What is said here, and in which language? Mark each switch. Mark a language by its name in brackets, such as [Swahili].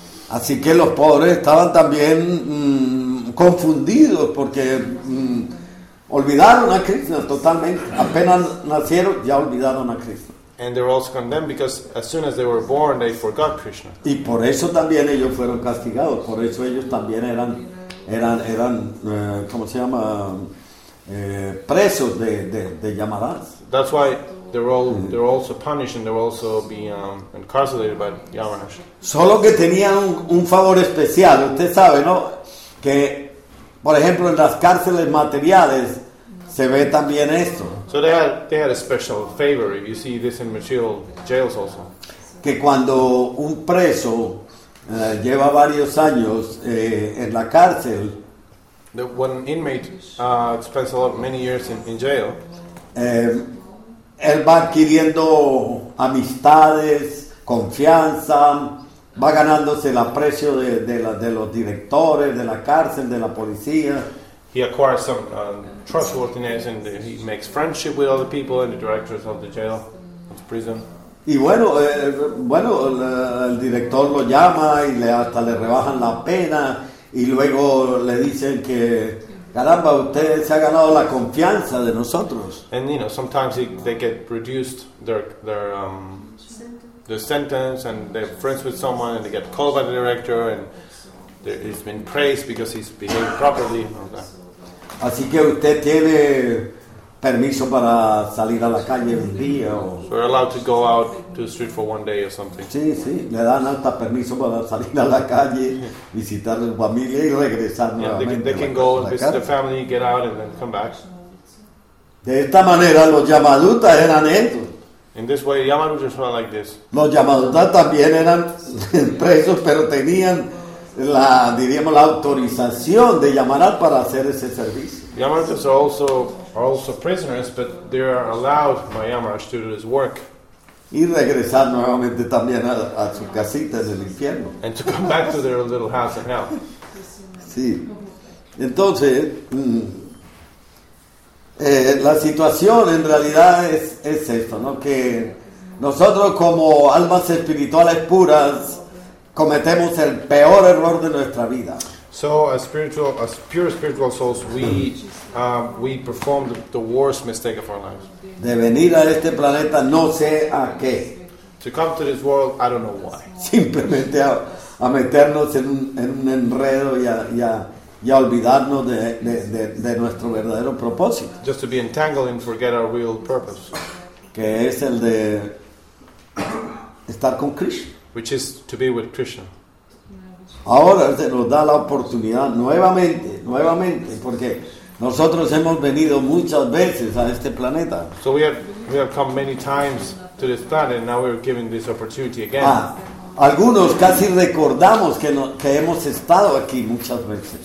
[Spanish] Así que los pobres estaban también confundidos porque olvidaron a Krishna totalmente. Apenas nacieron, ya olvidaron a Krishna. [English] And they were also condemned because as soon as they were born, they forgot Krishna. [Spanish] Y por eso también ellos fueron castigados. Por eso ellos también eran ¿cómo se llama? Presos de Yamaraj. [English] That's why they're also punished and they're also being incarcerated by Yamaraj. [Spanish] Solo que tenían un favor especial. Usted sabe, ¿no? Que, por ejemplo, en las cárceles materiales se ve también esto. [English] So they had a special favor. You see this in material jails also. [Spanish] Que cuando un preso lleva varios años en la cárcel. [English] When an inmate spends a lot many years in jail, [Spanish] él va adquiriendo amistades, confianza, va ganándose el aprecio de los directores de la cárcel, de la policía. [English] He acquires some trustworthiness and he makes friendship with other people and the directors of the jail, of the prison. [Spanish] Y bueno, el director lo llama y hasta le rebajan la pena. Y luego le dicen que, caramba, usted se ha ganado la confianza de nosotros. [English] And you know, sometimes they get reduced their sentence, and they're friends with someone, and they get called by the director, and he's been praised because he's behaved properly. Okay. [Spanish] Así que usted tiene permiso para salir a la calle un día. [English] So you're allowed to go out to the street for one day or something. [Spanish] Sí, sí. Le dan hasta permiso para salir a la calle, visitar a la familia y regresar nuevamente. [English] Yeah, they can go and visit the family, get out and then come back. [Spanish] De esta manera los Yamadutas eran esto. [English] In this way, Yamadutas were like this. [Spanish] Los Yamadutas también eran presos, pero tenían la autorización de Yamaraj para hacer ese servicio. [English] Yamadutas are also prisoners, but they are allowed by Yamaraj to do his work. [Spanish] Y regresar nuevamente también a su casita en el infierno. [English] And to come back to their little house in hell. [Spanish] Sí. Entonces, la situación en realidad es esto, ¿no? Que nosotros como almas espirituales puras cometemos el peor error de nuestra vida. [English] So as pure spiritual souls, we perform the worst mistake of our lives. [Spanish] De venir a este planeta no sé a qué. [English] To come to this world, I don't know why. [Spanish] Simplemente a meternos en un enredo y a olvidarnos de nuestro verdadero propósito. [English] Just to be entangled and forget our real purpose. [Spanish] Que es el de estar con Krishna. [English] Which is to be with Krishna. [Spanish] Ahora se nos da la oportunidad nuevamente, porque nosotros hemos venido muchas veces a este planeta. [English] So we have come many times to this planet, and now we're given this opportunity again. Ah, [Spanish] algunos casi recordamos que hemos estado aquí muchas veces.